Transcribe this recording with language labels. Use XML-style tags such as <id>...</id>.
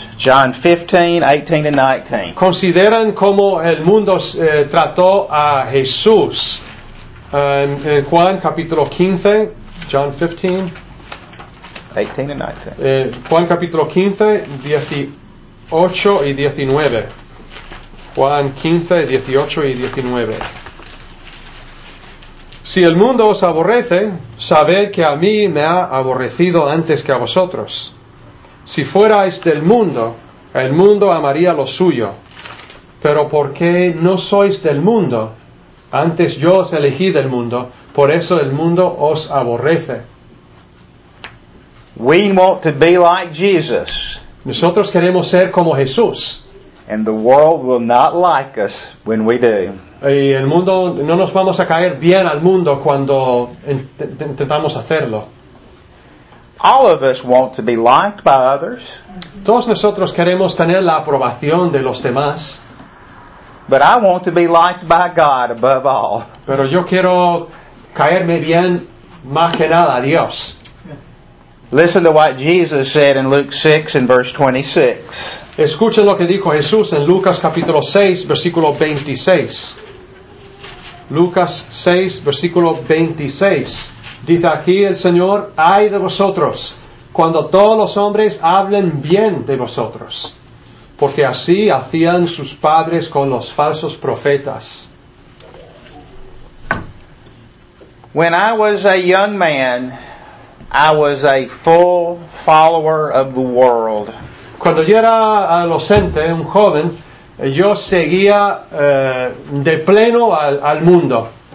<en>John 15, 18 and 19.</en> <es>Consideren cómo el mundo trató a Jesús. En Juan capítulo 15, John 15,</es> <en>18 and 19.</en> <es>Juan capítulo 15, 18 y 19. Juan 15, 18 y 19. Si el mundo os aborrece, sabed que a mí me ha aborrecido antes que a vosotros. Si fuerais del mundo, el mundo amaría lo suyo. Pero porque no sois del mundo, antes yo os elegí del mundo, por eso el mundo os aborrece.</es> <en>We want to be like Jesus.</en> <es>Nosotros queremos ser como Jesús.</es> <en>And the world will not like us when we do.</en> <es>Y el mundo, no nos vamos a caer bien al mundo cuando intentamos hacerlo.</es> <en>All of us want to be liked by others.</en> <es>Todos nosotros queremos tener la aprobación de los demás.</es> <en>But I want to be liked by God above all.</en> <es>Pero yo quiero caerme bien más que nada a Dios.</es> <en>Listen to what Jesus said in Luke 6 and verse 26.</en> <es>Escuchen lo que dijo Jesús en Lucas capítulo 6, versículo 26. Lucas 6, versículo 26. Dice aquí el Señor: ¡Ay de vosotros, cuando todos los hombres hablen bien de vosotros! Porque así hacían sus padres con los falsos profetas.</es> <en>When I was a young man, I was a full follower of the world.</en> <es>Cuando yo era adolescente, un joven, yo seguía de pleno al mundo.</es>